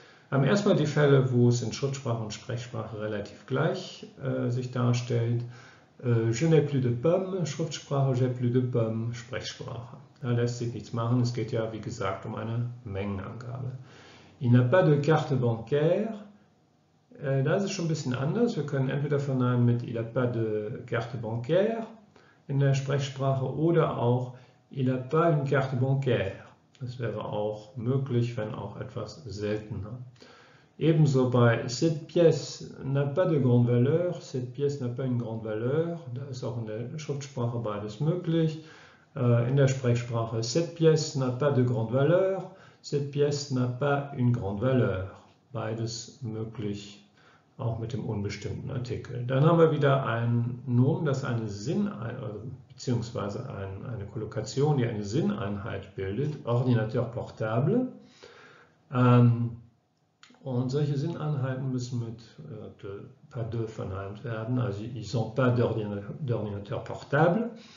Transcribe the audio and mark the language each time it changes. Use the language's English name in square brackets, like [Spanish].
[German] Wir haben erstmal die Fälle, wo es in Schriftsprache und Sprechsprache relativ gleich sich darstellt. [French] Je n'ai plus de pommes, Schriftsprache, j'ai plus de pommes, Sprechsprache. [German] Da lässt sich nichts machen. Es geht ja, wie gesagt, um eine Mengenangabe. [French] Il n'a pas de carte bancaire. [German] Da ist es schon ein bisschen anders. Wir können entweder verneinen mit [French] il n'a pas de carte bancaire [German] in der Sprechsprache oder auch [French] il n'a pas une carte bancaire. [German] Das wäre auch möglich, wenn auch etwas seltener. Ebenso bei [French] cette pièce n'a pas de grande valeur, cette pièce n'a pas une grande valeur. [German] Da ist auch in der Schriftsprache beides möglich. In der Sprechsprache, [French] cette pièce n'a pas de grande valeur, cette pièce n'a pas une grande valeur. [German] Beides möglich, auch mit dem unbestimmten Artikel. Dann haben wir wieder ein Nomen, das eine beziehungsweise eine Kollokation, die eine Sinneinheit bildet, ordinateur portable. Und solche Sinneinheiten müssen mit pas de verneint werden, also [French] ils sont pas d'ordinateur portable.